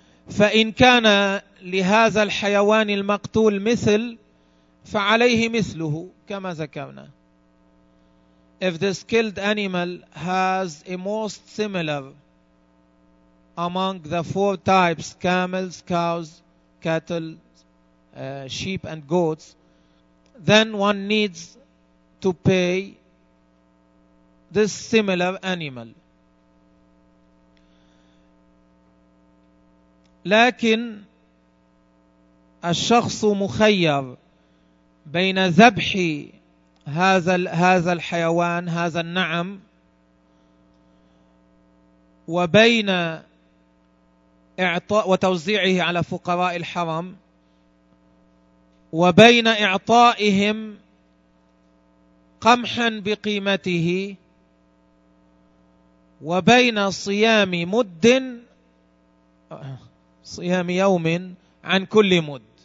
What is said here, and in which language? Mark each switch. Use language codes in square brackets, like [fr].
[ar] فإن كان لهذا الحيوان المقتول مثل فعليه مثله كما ذكرنا. [en] If this killed animal has a most similar among the 4 types, camels, cows, cattle, sheep and goats, then one needs to pay this similar animal. [ar] لكن الشخص مخير بين ذبح هذا الحيوان هذا النعم وبين إعطاء وتوزيعه على فقراء الحرم وبين إعطائهم قمحا بقيمته وبين صيام مد صيام يوم عن كل مد.